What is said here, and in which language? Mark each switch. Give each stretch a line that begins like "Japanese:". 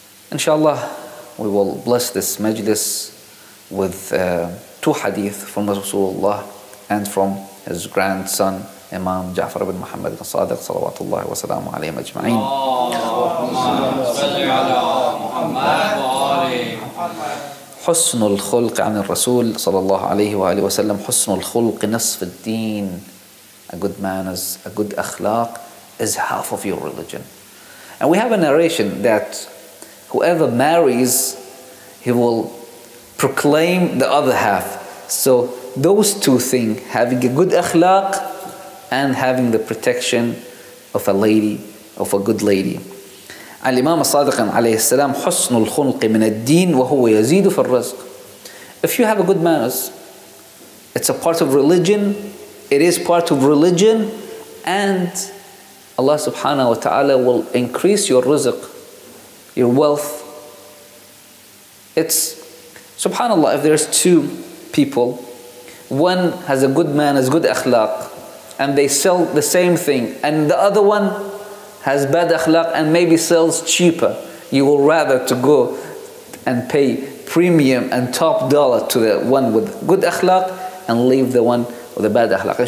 English: Inshallah, we will bless this majlis with two hadith from Rasulullah and from his grandson, Imam Ja'far ibn Muhammad ibn Sadiq,
Arabic: salawatullahi wa salamu alayhi wa ajma'in. حسن الخلق عن الرسول صلى الله عليه وآله وسلم حسن الخلق نصف الدين.
English: A good manners, a good akhlaq is half of your religion. And we have a narration that whoever marries, he will proclaim the other half. So those two things, having a good akhlaq and having the protection of a lady, of a good lady.
Arabic: الإمام الصادق عليه السلام حسن الخلق من الدين وهو يزيد في الرزق.
English: If you have a good manners, it's a part of religion, it is part of religion, and Allah subhanahu wa ta'ala will increase your rizq, your wealth. It's subhanallah, if there's two people, one has a good manners, good akhlaq, and they sell the same thing, and the other one has bad akhlaq and maybe sells cheaper, you will rather to go and pay premium and top dollar to the one with good akhlaq and leave the one with the bad akhlaq.